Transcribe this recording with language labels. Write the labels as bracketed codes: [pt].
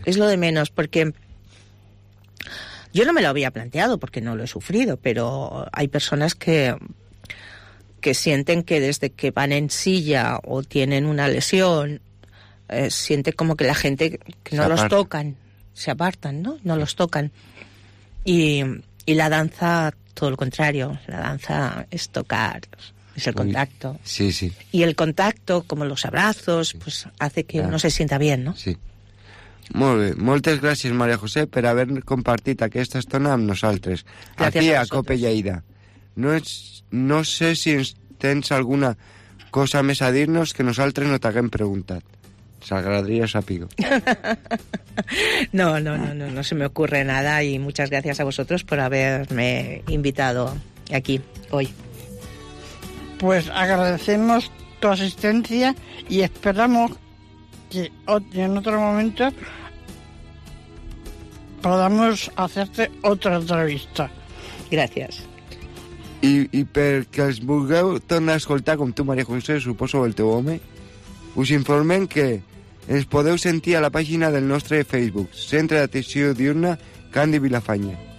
[es] Es lo de menos, porque yo no me lo había planteado porque no lo he sufrido, pero hay personas que sienten que desde que van en silla o tienen una lesión, sienten como que la gente que no los tocan, se apartan, ¿no? No los tocan. Y la danza, todo lo contrario, la danza es tocar, es el contacto. Sí, sí. Y el contacto, como los abrazos, pues hace que uno se sienta bien, ¿no? [ca] Sí. Molt bé. Moltes gràcies, Maria José, per haver compartit aquesta estona amb nosaltres. Gràcies aquí, a Cope Lleida. No sé si tens alguna cosa més a dir-nos que nosaltres no t'haguem preguntat. S'agradaria sàpigo. [es] No se me ocurre nada, y muchas gracias a vosotros por haberme invitado aquí hoy. Pues agradecemos tu asistencia y esperamos que en otro momento podamos hacerte otra entrevista. Gracias. [ca] I perquè els vulgueu tornar a escoltar, com tu, Maria José, suposo, el teu home, us informem que ens podeu sentir a la pàgina del nostre Facebook, Centre d'Atenció Diurna Candi Vilafanya.